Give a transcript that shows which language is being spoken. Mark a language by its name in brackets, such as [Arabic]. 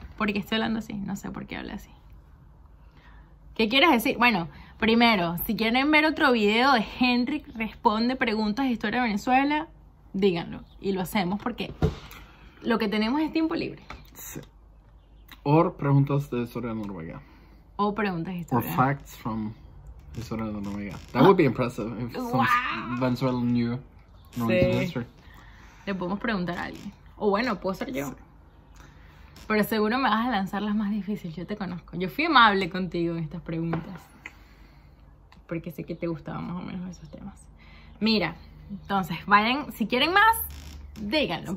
[Spanish] ¿Por qué estoy hablando así? No sé por qué hablo así. ¿Qué quieres decir? Bueno... Primero, si quieren ver otro video de Henrik responde preguntas de historia de Venezuela, díganlo. Y lo hacemos porque lo que tenemos es tiempo libre. Sí. Or preguntas de historia de Noruega. O preguntas de historia. [English] Or facts from [Spanish] historia de Noruega. [English] That would be impressive if some Venezuela knew Norwegian history. [Spanish] Le podemos preguntar a alguien. O bueno, puedo ser yo. Sí. Pero seguro me vas a lanzar las más difíciles, yo te conozco. Yo fui amable contigo en estas preguntas. Porque sé que te gustaban más o menos esos temas. Mira, entonces, vayan, si quieren más, díganlo.